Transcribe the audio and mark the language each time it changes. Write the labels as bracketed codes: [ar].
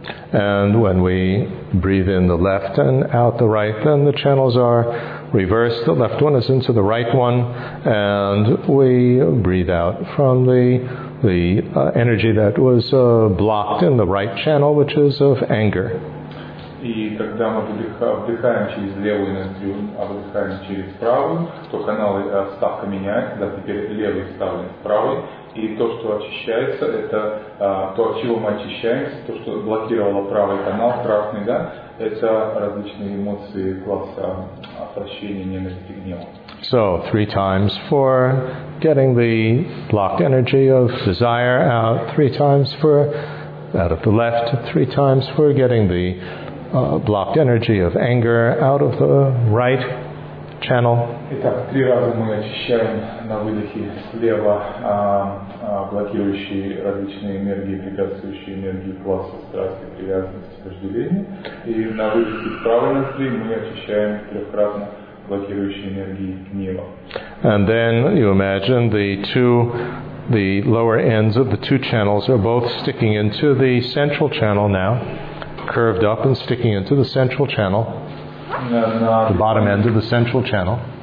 [en] And when we breathe in the left and out the right, then the channels are reversed. The left one is into the right one, and we breathe out from the energy that was blocked in the right channel, which is of anger. [ru] И когда мы вдыхаем через левую ноздрю, а выдыхаем через правую, то каналы вставка меняются, да, теперь левый вставлен в правый, и то, что очищается, это то, от чего мы очищаемся, то, что блокировало правый канал, красный, да, это различные эмоции класса отвращения, ненависти, гнева. [en] So, three times for getting the blocked energy of desire out, three times for out of the left, three times for getting the blocked energy of anger out of the right channel. [ru] Итак, три раза мы очищаем на выдохе слева блокирующие различные энергии, препятствующие энергии класса страсти, привязанности, вожделения. И на выдохе справа внутри мы очищаем трехкратно блокирующие энергии гнева. [en] And then you imagine the lower ends of the two channels are both sticking into the central channel now. curved up and sticking into the central channel, the bottom end of the central channel.